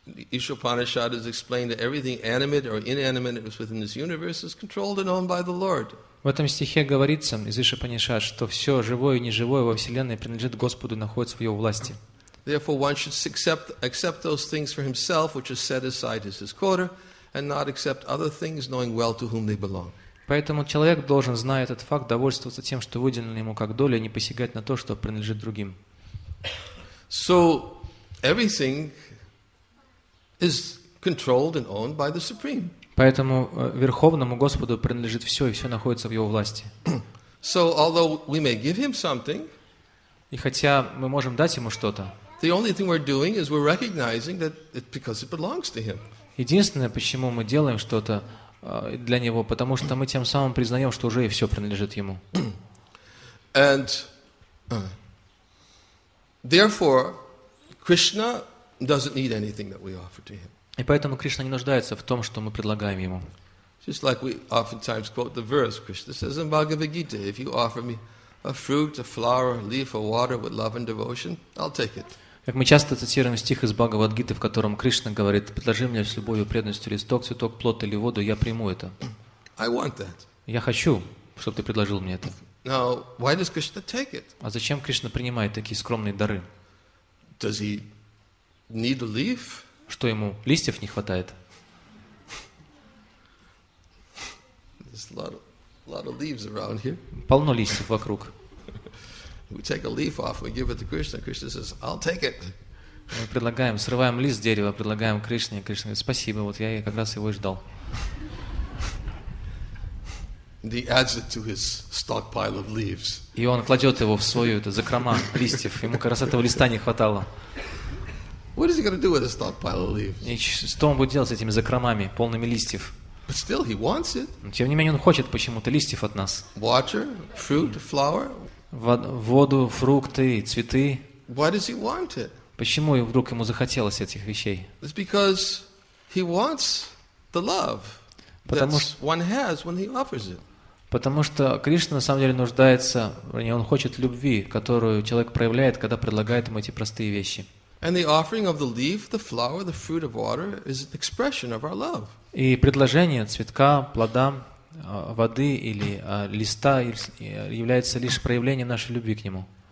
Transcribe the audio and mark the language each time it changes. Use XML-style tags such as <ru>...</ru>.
<en>Ишупанишад has explained that everything animate or inanimate that is within this universe is controlled and owned by the Lord.</en> <ru>В этом стихе говорится из Ишупанишад, что все живое и неживое во вселенной принадлежит Господу, находится в Его власти.</ru> <en>Therefore, one should accept those things for himself which are set aside as his quota, and not accept other things, knowing well to whom they belong.</en> <ru>Поэтому человек должен, зная этот факт, довольствоваться тем, что выделено ему как доля, и не посягать на то, что принадлежит другим.</ru> <en>So, everything is controlled and owned by the Supreme.</en> <ru>Поэтому Верховному Господу принадлежит все, и все находится в Его власти.</ru> <en>So, although we may give Him something,</en> <ru>и хотя мы можем дать Ему что-то,</ru> <en>the only thing we're doing is we're recognizing that it, because it belongs to Him.</en> <ru>Единственное, почему мы делаем что-то для него, потому что мы тем самым признаем, что уже и все принадлежит ему.</ru> <en>And therefore, Krishna doesn't need anything that we offer to him.</en> <ru>И поэтому Кришна не нуждается в том, что мы предлагаем ему.</ru> <en>Just like we oftentimes quote the verse Krishna says in Bhagavad Gita: "If you offer me a fruit, a flower, a leaf, or water with love and devotion, I'll take it."</en> <ru>Как мы часто цитируем стих из Бхагавадгиты, в котором Кришна говорит: «Предложи мне с любовью и преданностью листок, цветок, плод или воду, я приму это».</ru> <en>I want that.</en> <ru>Я хочу, чтобы ты предложил мне это.</ru> <en>Now, why does Krishna take it?</en> <ru>А зачем Кришна принимает такие скромные дары?</ru> <en>Does he need a leaf?</en> <ru>Что ему, листьев не хватает?</ru> <en>There's a lot of leaves around here.</en> <ru>Полно листьев вокруг.</ru> <en>We take a leaf off, we give it to Krishna. Krishna says, "I'll take it."</en> <ru>Мы предлагаем, срываем лист с дерева, предлагаем Кришне. Кришна говорит: "Спасибо, вот я как раз его и ждал."</ru> <en>He adds it to his stockpile of leaves.</en> <ru>И он кладет его в свою это закрома листьев. Ему как раз этого листа не хватало.</ru> <en>What is he going to do with a stockpile of leaves?</en> <ru>Что он будет делать с этими закромами, полными листьев?</ru> <en>But still, he wants it.</en> <ru>Тем не менее, он хочет почему-то листьев от нас.</ru> <en>Water, fruit, flower.</en> <ru>Воду, фрукты, цветы.</ru> <en>Why does he want it?</en> <ru>Почему вдруг ему захотелось этих вещей?</ru> <en>It's because he wants the love that one has when he offers it.</en> <ru>Потому что Кришна на самом деле нуждается, он хочет любви, которую человек проявляет, когда предлагает ему эти простые вещи.</ru> <en>And the offering of the leaf, the flower, the fruit of water is an expression of our love.</en> <ru>И предложение цветка, плода, воды или листа является лишь проявлением нашей любви к Нему.</ru>